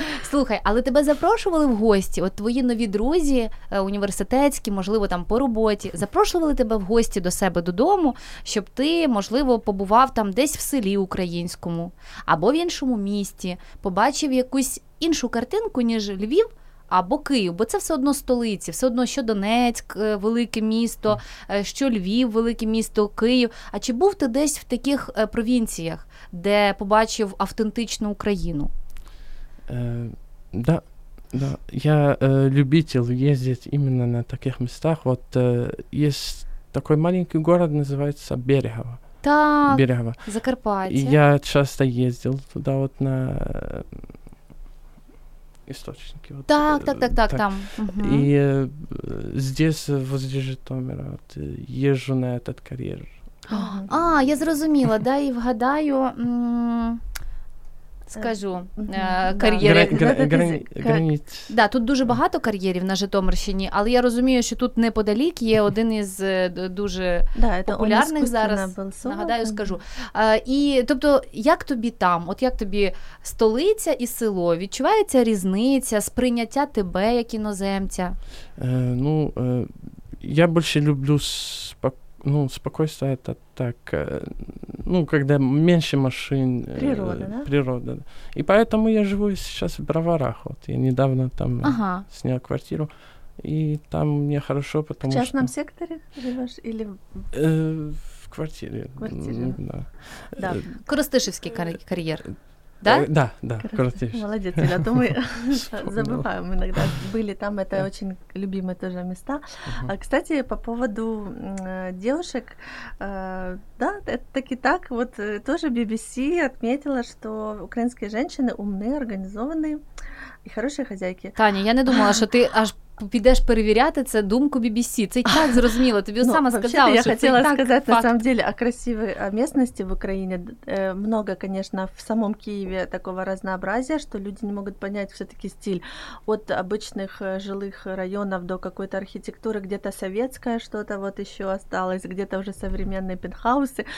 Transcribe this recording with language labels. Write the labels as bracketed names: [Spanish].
[Ukrainian] Слухай, але тебе запрошували в гості, от твої нові друзі, університетські, можливо, там по роботі, запрошували тебе в гості до себе додому, щоб ти, можливо, побував там десь в селі українському або в іншому місті, побачив якусь іншу картинку, ніж Львів або Київ, бо це все одно столиці, все одно, що Донецьк – велике місто, що Львів – велике місто, Київ. А чи був ти десь в таких провінціях, де побачив автентичну Україну? [Russian] Да, да. Я любитель ездить именно на таких местах. Вот есть такой маленький город, называется Берегово. [Ukrainian] Так, Берегово. Закарпаття. [Russian] И я часто ездил туда вот на источники. Вот, [Ukrainian] так, так, так, так, так, там. [Russian] И здесь, возле Житомира, вот, езжу на этот карьер. [Ukrainian] А, я зрозуміла, да, и вгадаю... Скажу, кар'єри. Границь. Да, тут дуже багато кар'єрів на Житомирщині, але я розумію, що тут неподалік є один із дуже популярних зараз. Нагадаю, скажу. І, тобто, як тобі там? От як тобі столиця і село? Відчувається різниця, сприйняття тебе як іноземця? Ну, я більше люблю спокійство, це так... [Russian] Ну, когда меньше машин. Природа, да? Природа. И поэтому я живу сейчас в Броварах. Вот я недавно там снял квартиру. и там мне хорошо, потому что... В частном секторе живёшь или... В квартире. Да. Да. Коростишевский карьер. Да? Да, да, Коростишевский. Молодец, Юля, а то мы забываем иногда. Были там, это очень любимые тоже места. А, кстати, по поводу девушек, да, это так и так. Вот тоже BBC отметила, что украинские женщины умные, организованные и хорошие хозяйки. Таня, я не думала, что ты аж... [Ukrainian] Підеш перевіряти це думку BBC. Це і так зрозуміло. Тобі саме сказала, я хотіла сказати [Russian] на самом деле о красивой местности в Украине. Много, конечно, в самом Киеве такого разнообразия, что люди не могут понять все-таки стиль от обычных жилых районов до какой-то архитектуры, где-то советское что-то вот еще осталось, где-то уже современные пентхаусы.